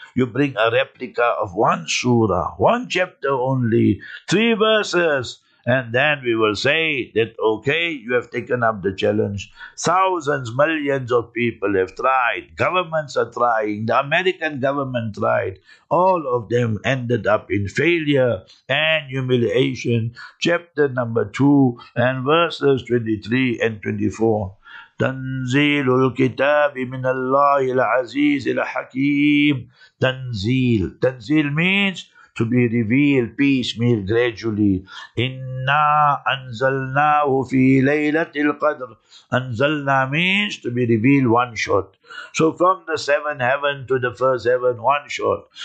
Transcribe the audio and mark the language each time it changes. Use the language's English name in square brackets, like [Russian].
[English] You bring a replica of one surah, one chapter only, three verses, and then we will say that, okay, you have taken up the challenge. Thousands, millions of people have tried. Governments are trying. The American government tried. All of them ended up in failure and humiliation. Chapter number 2 and verses 23 and 24. [Arabic] تنزيل الكتاب من الله العزيز الحكيم. تنزيل. [English] تنزيل means to be revealed piecemeal, gradually. [Arabic] Inna anzalnahu fi laylatil qadr. [English] Anzalna means to be revealed one shot. So from the seventh heaven to the first heaven, one shot.